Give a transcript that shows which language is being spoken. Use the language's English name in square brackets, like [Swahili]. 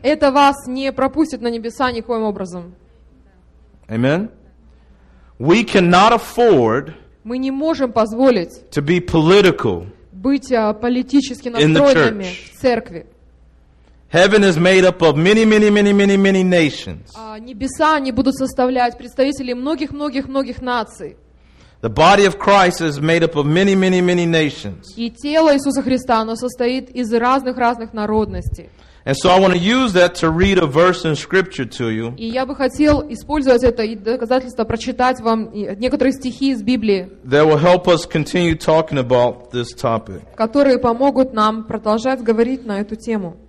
[Russian] Это вас не пропустит на небеса никоим образом. [English] Amen. We cannot afford [Russian] мы не можем позволить [English] to be political [Russian] быть политически настроенными в церкви. [English] Heaven is made up of many, many, many, many, many nations. [Russian] Небеса они будут составлять представителей многих, многих, многих наций. [English] The body of Christ is made up of many, many, many nations. [Russian] И тело Иисуса Христа оно состоит из разных, разных народностей. [English] And so I want to use that to read a verse in Scripture to you. [Russian] И я бы хотел использовать это и доказательство прочитать вам некоторые стихи из Библии. [English] That will help us continue talking about this topic. [Russian] Которые помогут нам продолжать говорить на эту тему.